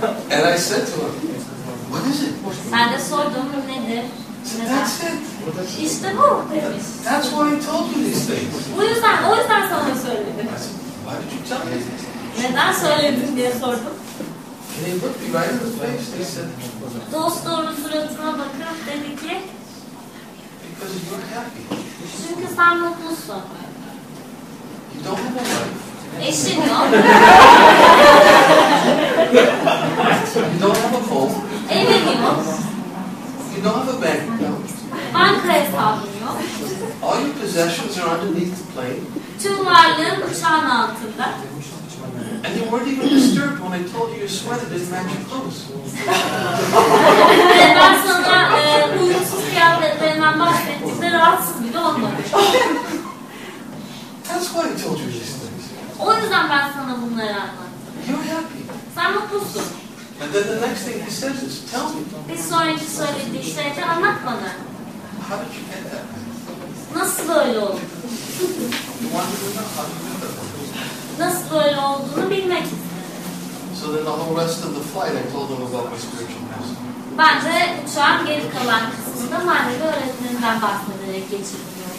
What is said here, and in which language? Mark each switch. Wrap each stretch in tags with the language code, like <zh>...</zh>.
<en>And I said to him, what is it?</en> <tr>Sen de sordum, nedir?</tr> <en>That's it.</en> <tr>İşte bu demiş.</tr> <en>That's why I told you these things.</en> <tr>O yüzden sana söyledim.</tr> <en>I said, why did you tell me?</en> <tr>Neden söyledin diye sordum.</tr> <en>And he looked me right in the face. They said,</en> <tr>dost doğru suratına bakıp dedi ki,</tr> <en>because you're happy.</en> <tr>Çünkü sen mutlusun.</tr> <en>You don't have a wife.</en> <tr>Eşin yok.</tr> <en>You don't have a home.</en> <tr>Evin yok.</tr> <en>You don't have a bank account.</en> <tr>Banka hesabın yok.</tr> <en>All your possessions are underneath the plane.</en> <tr>Tüm varlığın uçağın altında.</tr> <en>And you weren't even disturbed when I told you your sweater didn't match your clothes.</en> <tr>Ben sana uyumsuz kıyafetlerinden bahsettiğimde rahatsız bile olmadım.</tr> <en>That's why I told you these things.</en> <tr>O yüzden ben sana bunları anlattım.</tr> <en>You're happy.</en> <tr>Sen mutlusun.</tr> <en>And then the next thing he says is, tell me.</en> <tr>Bir sonraki söylediği şeyde anlat bana.</tr> <en>How did you get that?</en> <tr>Nasıl böyle oldu?</tr> <en>You wanted to know how you got that.</en> <tr>Nasıl böyle olduğunu bilmek istedim.</tr> <en>So then the whole rest of the flight I told them about my spiritual master.</en> <tr>Ben de uçağın geri kalan kısmında manevi öğretmeninden bahsederek geçirdim.</tr>